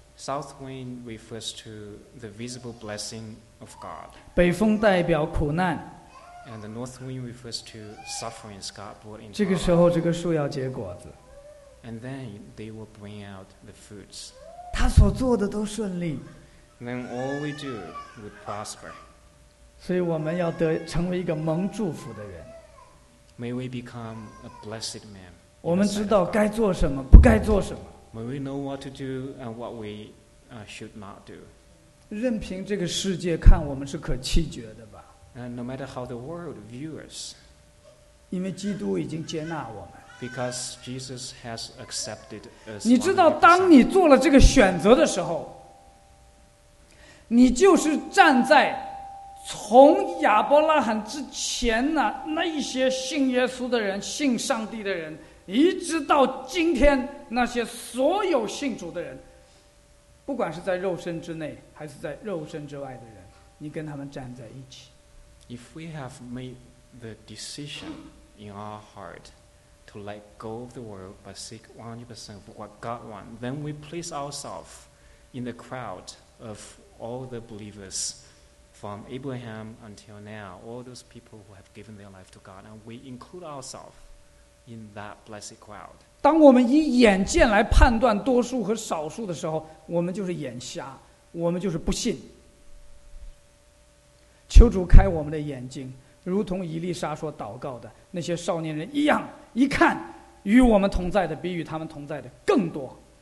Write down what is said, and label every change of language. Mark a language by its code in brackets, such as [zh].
[en] South wind refers to the visible blessing of God. [zh] 北风代表苦难。 [en] And the north wind refers to sufferings God brought into. [zh] 这个时候，这个树要结果子。 [en] And then they will bring out the fruits. [zh] 他所做的都顺利。 [en] Then all we do would prosper. [zh] 所以我们要得成为一个蒙祝福的人。 [en] May we become a blessed man. [zh] 我们知道该做什么，不该做什么。 [en] May we know what to do and what we should not do. [zh] 任凭这个世界看我们是可弃绝的吧。 [en] And no matter how the world views us. [zh] 因为基督已经接纳我们。 [en] Because Jesus has accepted us. [zh] 你知道，当你做了这个选择的时候，你就是站在从亚伯拉罕之前呢、啊、那一些信耶稣的人、信上帝的人，一直到今天那些所有信主的人，不管是在肉身之内还是在肉身之外的人，你跟他们站在一起。 [en] If we have made the decision in our heart. To let go of the world but seek 100% of what God wants, then we place ourselves in the crowd of all the believers from Abraham until now, all those people who have given their life to God, and we include ourselves in that blessed crowd. [zh] 当我们以眼见来判断多数和少数的时候，我们就是眼瞎，我们就是不信。求主开我们的眼睛，如同以利沙所祷告的那些少年人一样。一看，与我们同在的比与他们同在的更多。